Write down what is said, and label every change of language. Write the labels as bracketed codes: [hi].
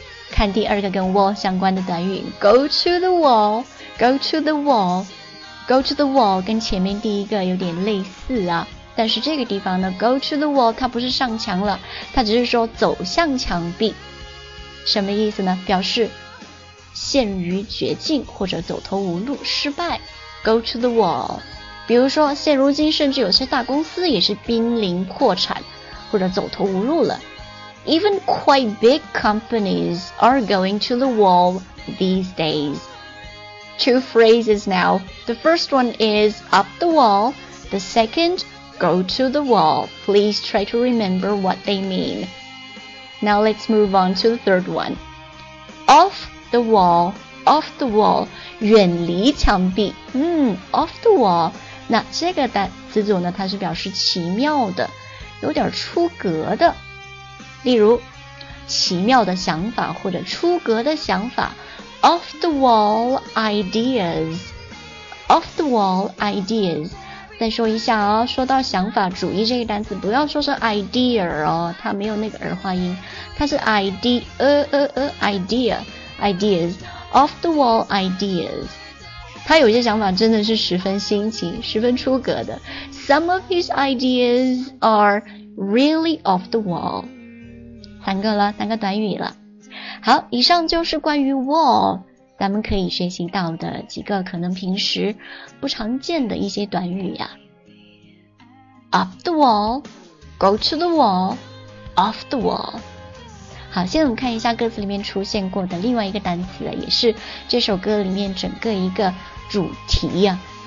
[zh] 看第二个跟 wall 相关的短语， [en] go to the wall [zh] go to the wall go to the wall， 跟前面第一个有点类似啊，但是这个地方呢 [en] go to the wall 它 [zh] 不是上墙了，它只是说走向墙壁。什么意思呢？表示陷于绝境或者走投无路失败， [en] go to the wall。 [zh] 比如说现如今甚至有些大公司也是濒临破产或者走投无路了。 [en] Even quite big companies are going to the wall these days。 Two phrases now. The first one is up the wall. The second, go to the wall. Please try to remember what they mean. Now let's move on to the third one. Off the wall. Off the wall. [zh] 远离墙壁。 [en] Off the wall. [zh] 那这个单词组呢，它是表示奇妙的，有点出格的。例如，奇妙的想法或者出格的想法。 [en] Off the wall ideas. Off the wall ideas. [zh] 再说一下哦，说到想法主义这个单词，不要说是 idea 哦，它没有那个儿化音，它是 [en] idea ideas. Off the wall ideas. [zh] 他有些想法真的是十分新奇，十分出格的。 [en] Some of his ideas are really off the wall. [zh] 三个了，三个短语了。好，以上就是关于 wall 咱们可以学习到的几个可能平时不常见的一些短语呀。 [en] Up the wall, go to the wall, off the wall。 [zh] 好，现在我们看一下歌词里面出现过的另外一个单词，也是这首歌里面整个一个主题呀。